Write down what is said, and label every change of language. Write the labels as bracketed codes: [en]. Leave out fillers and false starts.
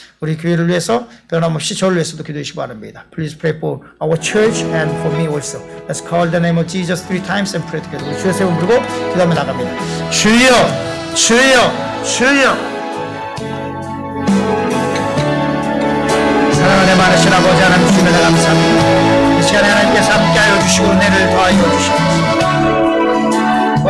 [ko] 우리 교회를 위해서 변함없이 저를 위해서도 기도해 주시기 바랍니다. [en] Please pray for our church and for me also. Let's call the name of Jesus three times and pray together. [ko] 주여 세우 부르고 기도하며 나갑니다. 주여! 주여! 주여! 사랑하는 많으신 아버지 하나님 주님에 감사합니다. 이 시간에 하나님께서 함께하여 주시고 은혜를 더하여 주십니다.